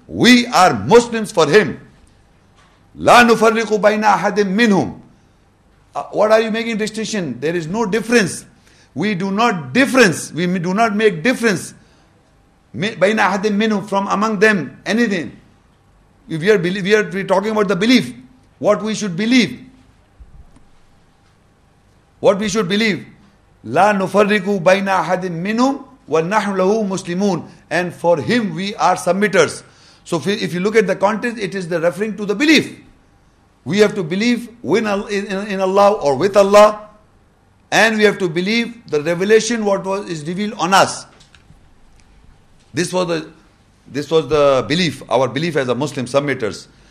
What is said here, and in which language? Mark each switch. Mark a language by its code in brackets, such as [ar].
[en] We are Muslims for Him. [ar] لَا نُفَرِّقُ بَيْنَ أَحَدٍ مِّنْهُمْ. [en] What are you making distinction? There is no difference. We do not difference. We do not make difference [ar] بين أحد منهم [en] from among them anything. If we are we're talking about the belief, what we should believe. What we should believe. [ar] لا نفرق بين أحد منهم ونحن له مسلمون. [en] And for him we are submitters. So if you look at the context, it is the referring to the belief. We have to believe in Allah or with Allah. And we have to believe the revelation what was is revealed on us. This was the belief, our belief as a Muslim submitters.